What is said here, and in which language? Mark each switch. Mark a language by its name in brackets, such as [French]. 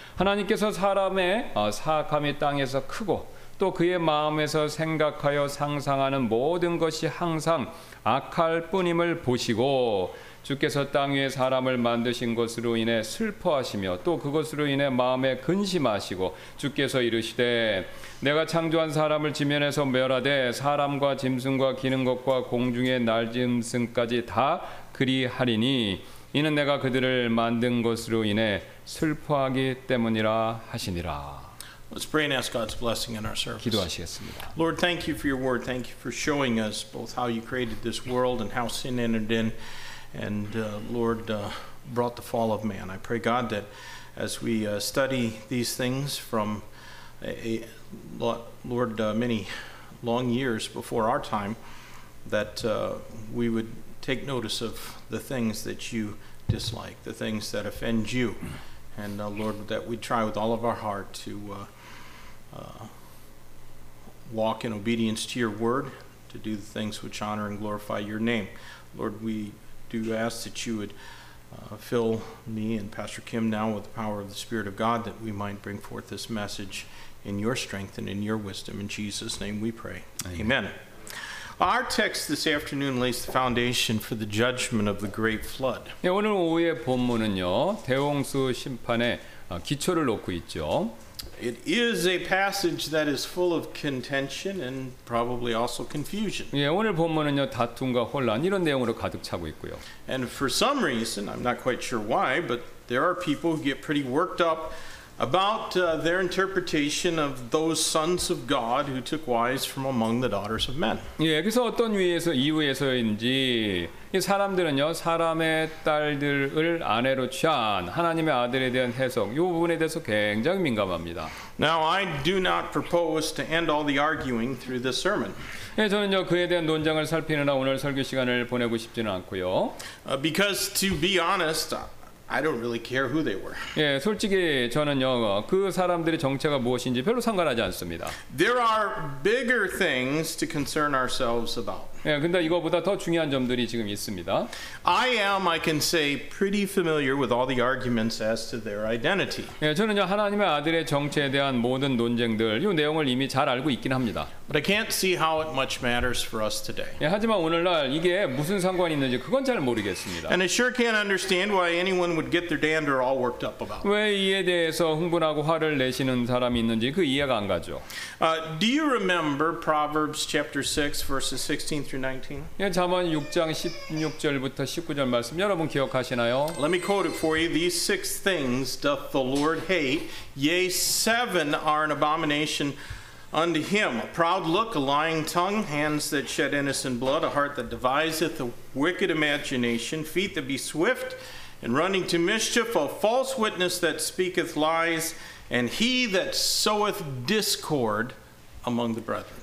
[Korean] 하나님께서 사람의 사악함이 땅에서 크고 또 그의 마음에서 생각하여 상상하는 모든 것이 항상 악할 뿐임을 보시고 주께서 땅 위에 사람을 만드신 것으로 인해 슬퍼하시며 또 그것으로 인해 마음에 근심하시고 주께서 이르시되 내가 창조한 사람을 지면에서 멸하되 사람과 짐승과 기는 것과 공중의 날짐승까지 다 그리하리니 이는 내가 그들을 만든 것으로 인해 슬퍼하기 때문이라 하시니라. [English] Let's pray and ask God's blessing in our service. [Korean] 기도하시겠습니다. [English] Lord, thank you for your word. Thank you for showing us both how you created this world and how sin entered in. And Lord, brought the fall of man. I pray, God, that as we study these things from many long years before our time, that we would take notice of the things that you dislike, the things that offend you. And Lord, that we try with all of our heart to walk in obedience to your word, to do the things which honor and glorify your name. Lord, we do ask that you would fill me and Pastor Kim now with the power of the Spirit of God, that we might bring forth this message in your strength and in your wisdom. In Jesus' name we pray. Amen. Amen. Our text this afternoon lays the foundation for the judgment of the great flood. [Korean] 네, 오늘 오후의 본문은요, 대홍수 심판의 기초를 놓고 있죠. [English] It is a passage that is full of contention and probably also confusion. [Korean] 예, 오늘 본문은요, 다툼과 혼란 이런 내용으로 가득 차고 있고요. [English] And for some reason, I'm not quite sure why, but there are people who get pretty worked up about their interpretation of those sons of God who took wives from among the daughters of men. [Korean] 예, 그래서 어떤 이유에서인지 사람들은요, 사람의 딸들을 아내로 취한 하나님의 아들에 대한 해석, 이 부분에 대해서 굉장히 민감합니다. [English] Now I do not propose to end all the arguing through this sermon. [Korean] 예, 저는요, 그에 대한 논쟁을 살피느라 오늘 설교 시간을 보내고 싶지는 않고요. [English] Because to be honest, I don't really care who they were. [Korean] 예, 솔직히 저는요, 그 사람들의 정체가 무엇인지 별로 상관하지 않습니다. [English] There are bigger things to concern ourselves about. [Korean] 예, 근데 이거보다 더 중요한 점들이 지금 있습니다. [English] I can say pretty familiar with all the arguments as to their identity. [Korean] 예, 저는요, 하나님의 아들의 정체에 대한 모든 논쟁들, 요 내용을 이미 잘 알고 있긴 합니다. [English] But I can't see how it much matters for us today. [Korean] 예, 하지만 오늘날 이게 무슨 상관이 있는지 그건 잘 모르겠습니다. [English] And I sure can't understand why anyone would get their dander all worked up about. [Korean] 왜 이에 대해서 흥분하고 화를 내시는 사람이 있는지 그 이해가 안 가죠. [English] Do you remember Proverbs chapter 6 verses 16 through through 19. [Korean] 예, 잠언 6장 16절부터 19절 말씀 여러분 기억하시나요? [English] Let me quote it for you. These six things doth the Lord hate. Yea, seven are an abomination unto him: a proud look, a lying tongue, hands that shed innocent blood, a heart that deviseth a wicked imagination, feet that be swift in running to mischief, a false witness that speaketh lies, and he that soweth discord among the brethren.